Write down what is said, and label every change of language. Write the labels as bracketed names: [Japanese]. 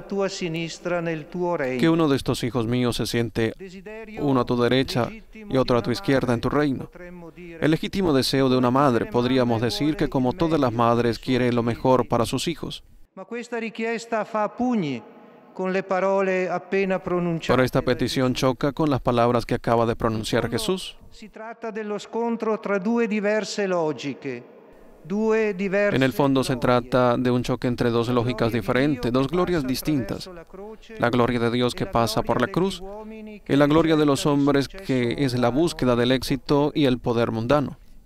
[Spanish] Que uno de estos hijos míos se siente uno a tu derecha y otro a tu izquierda en tu reino. El legítimo deseo de una madre, podríamos decir que como todas las madres quiere lo mejor para sus hijos. Pero esta petición choca con las palabras que acaba de pronunciar Jesús. [Italian] Si trata de lo scontro tra due diverse logiche. [Spanish] En el fondo se trata de un choque entre dos lógicas diferentes, dos glorias distintas. La gloria de Dios que pasa por la cruz y la gloria de los hombres que es la búsqueda del éxito y el poder mundano.